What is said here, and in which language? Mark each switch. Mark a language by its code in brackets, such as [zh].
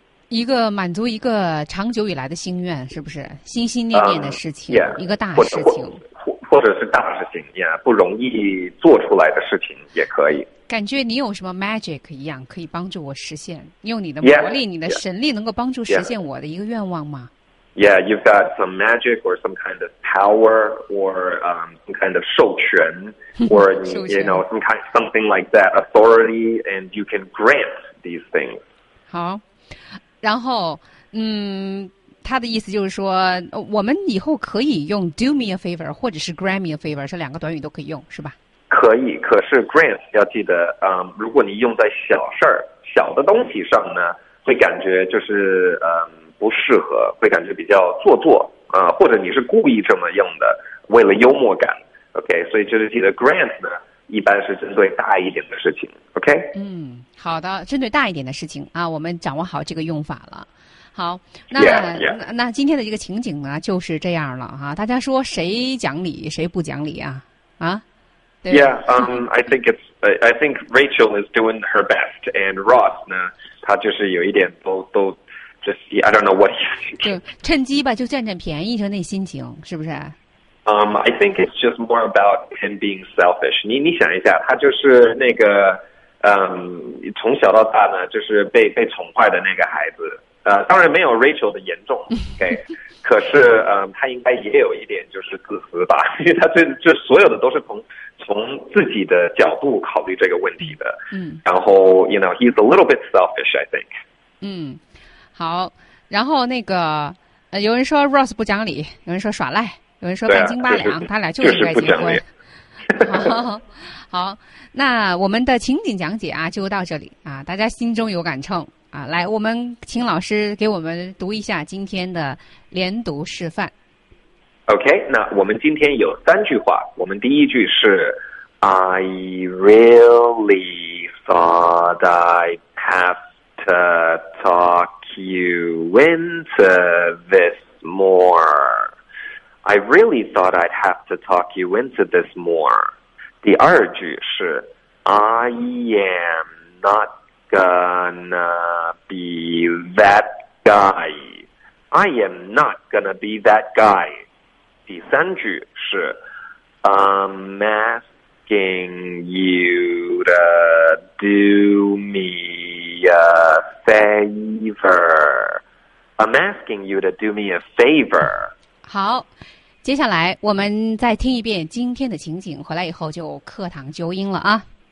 [zh] 一个满足一个长久以来的心愿，是不是心心念念的事情？ Yeah, 一个大事情。或者是大事情呀，不容易做出来的事情也可以。感觉你有什么 magic 一样，可以帮助我实现，用你的魔力、 yeah, 你的神力能够帮助实现我的一个愿望吗 [en] ？Yeah, you've got some magic or some kind of power or some kind of 授权 or you know some kind something like that authority and you can grant these things. [zh] 好，然后他的意思就是说，我们以后可以用 [en] do me a favor [zh] 或者是 [en] grant me a favor， [zh] 这两个短语都可以用，是吧？可以，可是 grant 要记得，如果你用在小事儿、小的东西上呢，会感觉就是不适合，会感觉比较做作啊、或者你是故意这么用的，为了幽默感。 OK， 所以就是记得 grant 呢，一般是针对大一点的事情。OK，嗯，好的，针对大一点的事情啊，我们掌握好这个用法了。好，那那今天的这个情景呢就是这样了哈、啊，大家说谁讲理谁不讲理啊？啊？对 [en] I think Rachel is doing her best, and Ross [zh] 呢，他就是有一点都 [en] just I don't know what he's thinking. [zh] 就趁机吧，就占占便宜，就那心情是不是？ [en] I think it's just more about him being selfish. [zh] 你想一下，他就是那个从小到大呢，就是被宠坏的那个孩子。当然没有 Rachel 的严重 ，OK， 可是他应该也有一点就是自私吧，因为他这所有的都是从自己的角度考虑这个问题的。嗯，然后 [en] you know he's a little bit selfish, I think. [zh] 嗯，好，然后那个有人说 Ross 不讲理，有人说耍赖。有人说半斤八两、啊、他俩就应该结婚、就是、好，那我们的情景讲解啊就到这里啊，大家心中有杆秤啊，来我们请老师给我们读一下今天的连读示范。 [en] OK， [zh] 那我们今天有三句话，我们第一句是 [en] I really thought I'd have to talk you into this moreI really thought I'd have to talk you into this more. [zh] 第二句是 [en] I am not gonna be that guy. I am not gonna be that guy. [zh] 第三句是 [en] I'm asking you to do me a favor. I'm asking you to do me a favor. [zh] 好，接下来我们再听一遍今天的情景，回来以后就课堂纠音了啊。